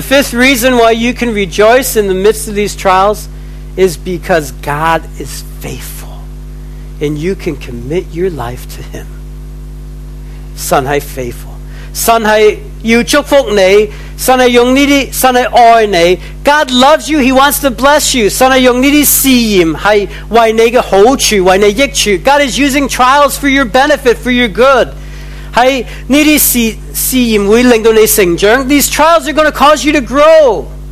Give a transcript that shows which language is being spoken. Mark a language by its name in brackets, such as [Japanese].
[English] fifth reason why you can rejoice in the midst of these trials is because God is faithful and you can commit your life to him. [Chinese] 神是faithful，神是要祝福你，神是用这些，神是爱你。 [English] God loves you, he wants to bless you. [Chinese] 神是用这些试验，是为你的好处，为你益处。 [English] God is using trials for your benefit, for your good. [Chinese] 是这些试验会令到你成长。 [English] These trials are going to cause you to grow.